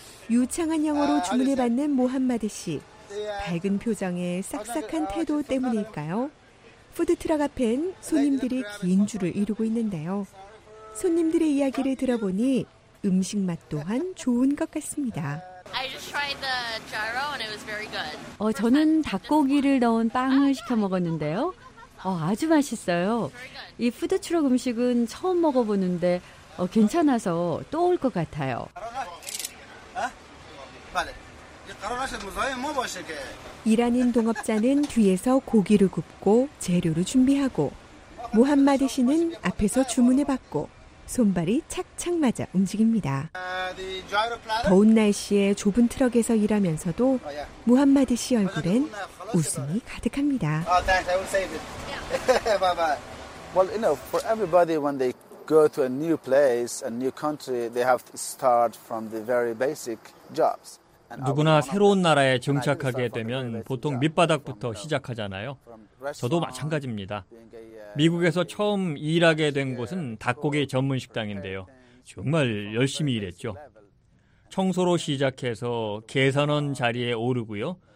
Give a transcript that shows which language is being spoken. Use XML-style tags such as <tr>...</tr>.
<ko>유창한 영어로 주문을 받는 모하마드 씨. 밝은 표정에 싹싹한 태도 때문일까요? 푸드트럭 앞엔 손님들이 긴 줄을 이루고 있는데요. 손님들의 이야기를 들어보니 음식 맛 또한 좋은 것 같습니다.</ko> <en>I just tried the gyro and it was very good.</en> <ko>저는 닭고기를 넣은 빵을 시켜 먹었는데요. 아주 맛있어요. 이 푸드트럭 음식은 처음 먹어보는데 괜찮아서 또 올 것 같아요. 이란인 동업자는 뒤에서 고기를 굽고 재료를 준비하고 무함마드 씨는 앞에서 주문을 받고 손발이 착착 맞아 움직입니다. 더운 날씨에 좁은 트럭에서 일하면서도 무함마드 씨 얼굴엔 웃음이 가득합니다.</ko> <en>Well, you know, for everybody when they go to a new place, a new country, they have to start from the very basic jobs.</en> <ko>누구나 새로운 나라에 정착하게 되면 보통 밑바닥부터 시작하잖아요. 저도 마찬가지입니다. 미국에서 처음 일하게 된 곳은 닭고기 전문 식당인데요. 정말 열심히 일했죠. 청소로 시작해서 계산원 자리에 오르고요.</ko>